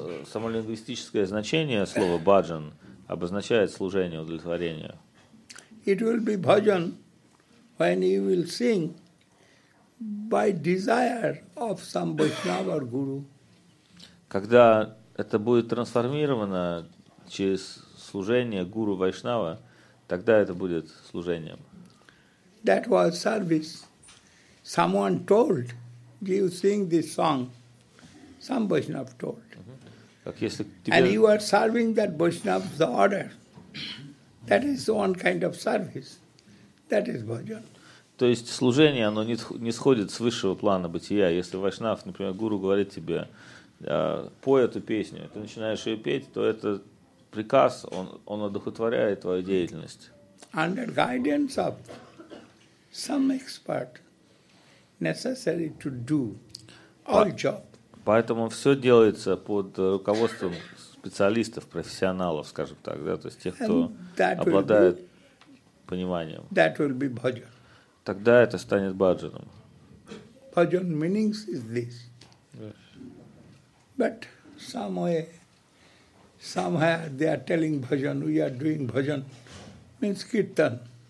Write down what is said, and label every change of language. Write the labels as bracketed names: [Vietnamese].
[Russian] Само лингвистическое значение слова баджан обозначает служение, удовлетворение. [English] It will be bhajan when you will sing by desire of some Vaishnava or guru. [Russian] Когда это будет трансформировано через служение гуру Вайшнава, тогда это будет служением. [English] That was service. Someone told, you sing this song, some Vaishnav told. And you are serving that Vaishnav's order. That is one kind of service. That is bhajan. [Russian] То есть служение, оно не сходит с высшего плана бытия. Если вайшнав, например, гуру говорит тебе, пой эту песню, ты начинаешь ее петь, то это приказ, он одухотворяет твою деятельность. [English] Under guidance of some expert necessary to do all job. [Russian] Поэтому все делается под руководством специалистов, профессионалов, скажем так, да, то есть тех, кто обладает пониманием. [English] That will be bhajan. [Russian] Тогда это станет баджаном. [English] Bhajan meanings is this. But somewhere they are telling bhajan, we are doing bhajan, means kirtan.